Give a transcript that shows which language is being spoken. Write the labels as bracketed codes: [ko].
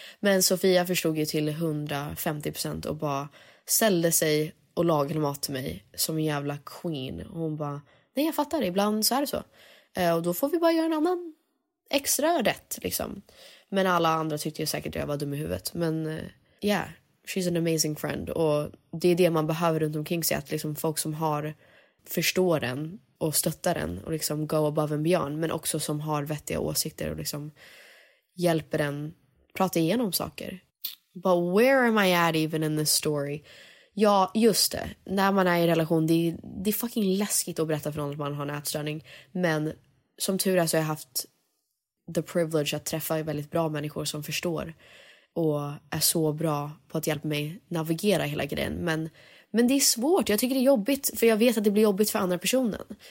[sv] Men Sofia förstod ju till 150% och bara ställde sig och lagade mat till mig som en jävla queen. Och hon bara, nej jag fattar, ibland så är det så. Och då får vi bara göra en annan extra rätt liksom. Men alla andra tyckte ju säkert att jag var dum i huvudet. Men [en] yeah, she's an amazing friend. [sv] Och det är det man behöver runt omkring sig, att liksom folk som har förstår den. Och stötta den och liksom [en] go above and beyond. [sv] Men också som har vettiga åsikter och liksom hjälper den prata igenom saker. [en] But where am I at even in this story? [sv] Ja, just det. När man är i relation, det är fucking läskigt att berätta för någon att man har en ätstörning. Men som tur är så har jag haft [en] the privilege [sv] att träffa väldigt bra människor som förstår. Och är så bra på att hjälpa mig navigera hela grejen. Men det är svårt, jag tycker det är jobbigt. För jag vet att det blir jobbigt för andra personen.